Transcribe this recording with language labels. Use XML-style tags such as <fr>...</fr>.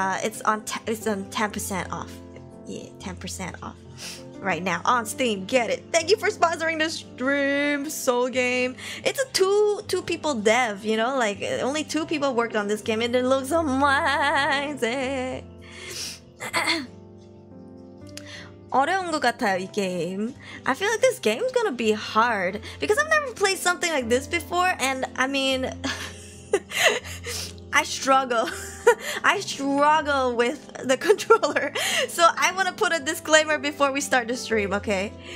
<en>It's on 10% off. Yeah, 10% off right now on Steam. Get it. Thank you for sponsoring the stream, Soul Game. It's a two people dev, you know, like only two people worked on this game and it looks amazing.</en> <ko>어려운 것 같아요, 이 게임.</ko> <en>I feel like this game's gonna be hard because I've never played something like this before, and I mean, I struggle with the controller. So I want to put a disclaimer before we start the stream, okay?</en>